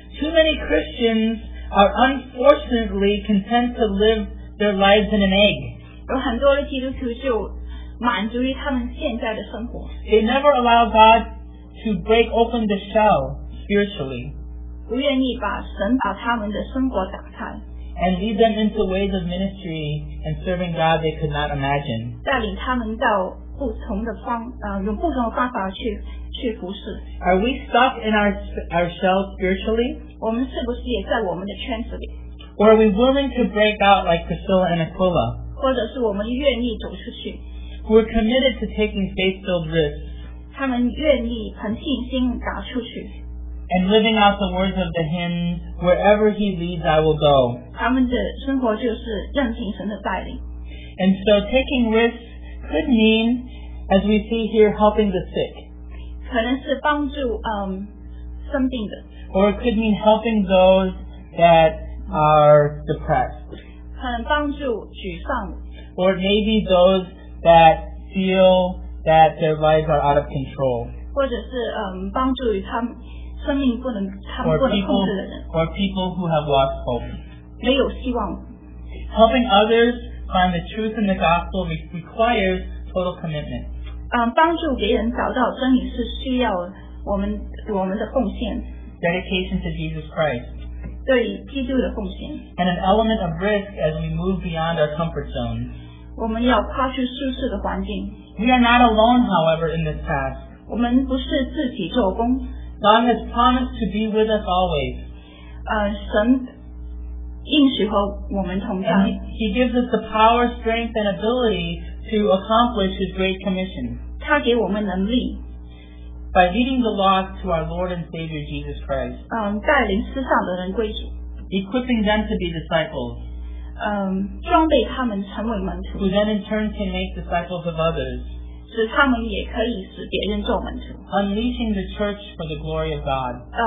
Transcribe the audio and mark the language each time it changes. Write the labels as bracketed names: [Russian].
[English] too many Christians are unfortunately content to live their lives in an egg [Chinese] 有很多的基督徒就满足于他们现在的生活 [English] they never allow God to break open the shell spiritually [Chinese] 不愿意把神把他们的生活打开 [English] And lead them into ways of ministry and serving God they could not imagine. [Chinese] 带领他们到不同的方，用不同的方法去服侍。 [English] Are we stuck in our shell spiritually? [Chinese] 我们是不是也在我们的圈子里？ [English] Or are we willing to break out like Priscilla and Aquila? [Chinese] 或者是我们愿意走出去？ [English] were committed to taking faith-filled risks. [Chinese] 他们愿意凭信心打出去。 [English] And living out the words of the hymn, wherever he leads, I will go. [Chinese] 他们的生活就是任凭神的带领。 [English] And so taking risks could mean, as we see here, helping the sick. [Chinese] 可能是帮助生病的。 [English] Or it could mean helping those that are depressed. [Chinese] 可能帮助沮丧。 [English] Or it may be those that feel that their lives are out of control. [Chinese] 或者是帮助于他们。生命不能他们不能控制的人 [English] or people who have lost hope [Chinese] 没有希望 [English] helping others find the truth in the gospel requires total commitment [Chinese] 帮助别人找到真理是需要我们的奉献 [English] dedication to Jesus Christ [Chinese] 对基督的奉献 [English] and an element of risk as we move beyond our comfort zone [Chinese] 我们要跨出舒适的环境 [English] we are not alone however in this task [Chinese] 我们不是自己做工 [English] God has promised to be with us always. [Chinese] 神应许和我们同在。 [English] And he gives us the power, strength, and ability to accomplish his great commission. [Chinese] 他给我们能力。 [English] By leading the lost to our Lord and Savior Jesus Christ. [Chinese] 带领世上的人归主。 [English] Equipping them to be disciples. [Chinese] 装备他们成为门徒。 [English] Who then in turn can make disciples of others. [Chinese] 使他们也可以使别人做门徒 [English] Unleashing the church for the glory of God